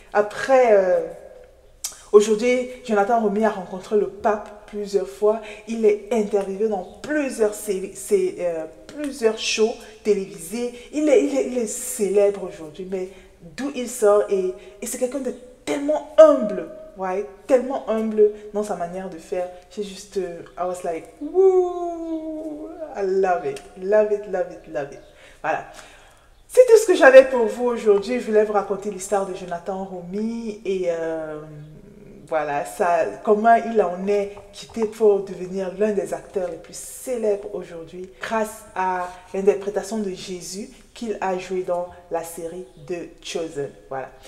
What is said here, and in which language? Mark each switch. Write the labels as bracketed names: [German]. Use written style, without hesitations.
[French] Après, aujourd'hui, Jonathan Rumi a rencontré le pape plusieurs fois. Il est interviewé dans plusieurs plusieurs shows télévisés. Il est célèbre aujourd'hui, mais d'où il sort, et c'est quelqu'un de tellement humble, ouais, tellement humble dans sa manière de faire. J'ai juste, [English] I was like, wouh, I love it, love it, love it, love it. [French] Voilà. C'est tout ce que j'avais pour vous aujourd'hui. Je voulais vous raconter l'histoire de Jonathan Rumi et voilà, ça, comment il en est quitté pour devenir l'un des acteurs les plus célèbres aujourd'hui grâce à l'interprétation de Jésus qu'il a joué dans la série The Chosen. Voilà.